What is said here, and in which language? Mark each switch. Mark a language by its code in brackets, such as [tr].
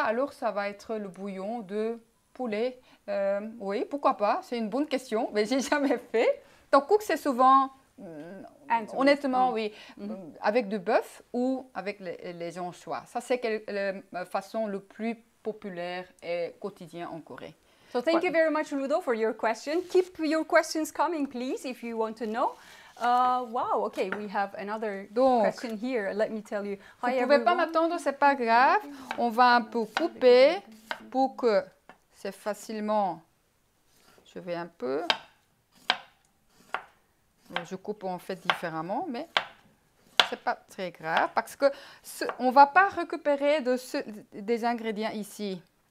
[fr] Alors, ça va être le bouillon de poulet. Oui, pourquoi pas? C'est une bonne question, mais j'ai jamais fait. Ton cook, c'est souvent, honnêtement, avec du bœuf ou avec les anchois. Ça, c'est la façon la plus populaire et quotidienne en Corée. [en] So, thank you very much, Ludo, for your question. Keep your questions coming, please, if you want to know. Wow, okay, we have another question here, let me tell you. [fr] Hi, vous ne pouvez pas m'attendre, ce n'est pas grave. On va un peu couper pour que c'est facilement... Je vais un peu... Je coupe en fait différemment, mais c'est pas très grave parce que on va pas récupérer des ingrédients ici.